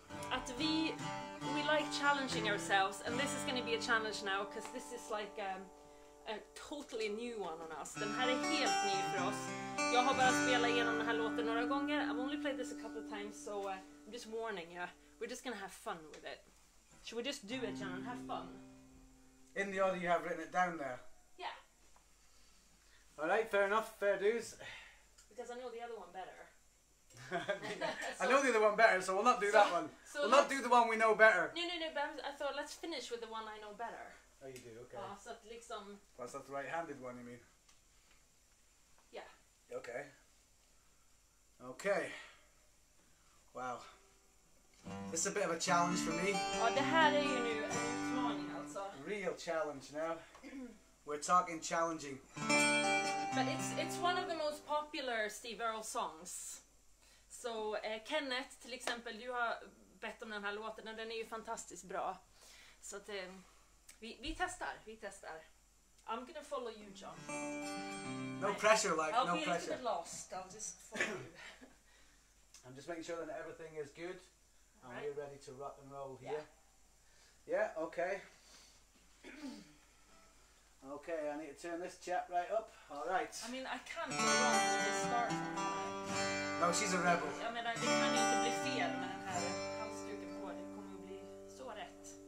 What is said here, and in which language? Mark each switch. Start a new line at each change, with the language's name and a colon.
English: Att we like challenging ourselves, and this is going to be a challenge now because this is like a totally new one on us.
Swedish: Den här är helt ny för oss. Jag har bara spelat igenom den här låten några gånger.
English: I've only played this a couple of times, so I'm just warning you. We're just going to have fun with it. Should we just do it, John? Have fun. In the order you have written it down there. Yeah. All right, fair enough, fair dues. Because I know the other one better. So, I know the other one better, so we'll not do that one. So we'll not do the one we know better. No, but I thought let's finish with the one I know better. Oh, you do, okay. So that, like, some... Plus that's the right-handed one, you mean? Yeah. Okay. Okay. Wow. This is a bit of a challenge for me.
Swedish: Oh, det här är ju nu en utmaning alltså.
English: Real challenge now. We're talking challenging. But it's one of the most popular Steve Earle songs.
Swedish: So, Kenneth till exempel, du har bett om den här låten och den är ju fantastiskt bra. Så att vi testar.
English: I'm gonna follow you, John. No pressure, like, I'll no pressure. I'll be a little bit lost, I'll just follow you. I'm just making sure that everything is good. All and right. We're ready to rock and roll here. Yeah okay. Okay, I need to turn this chap right up. All right. I mean, I can't go wrong with this start. No, she's a rebel.
Swedish: Ja, men det kan ju inte bli fel med den här halsduken på. Det kommer ju bli så rätt.